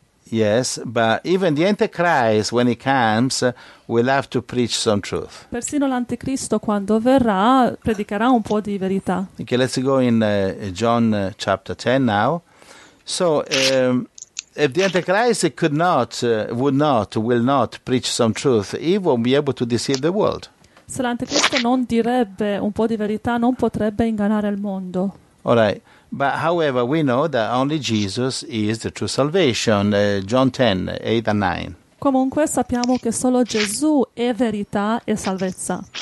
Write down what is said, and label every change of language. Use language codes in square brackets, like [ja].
[en] Yes, but even the Antichrist, when he comes, will have to preach some truth. [it] Persino l'Anticristo, quando verrà, predicherà un po' di verità. [en] Okay, let's go in John chapter 10 now. So, if the Antichrist could not, would not, will not preach some truth, he won't be able to deceive the world. [it] Se l'Anticristo non direbbe un po' di verità, non potrebbe ingannare il mondo. [en] All right. But however, we know that only Jesus is the true salvation, John 10, 8 and 9. [it] Comunque sappiamo che solo Gesù è verità e salvezza.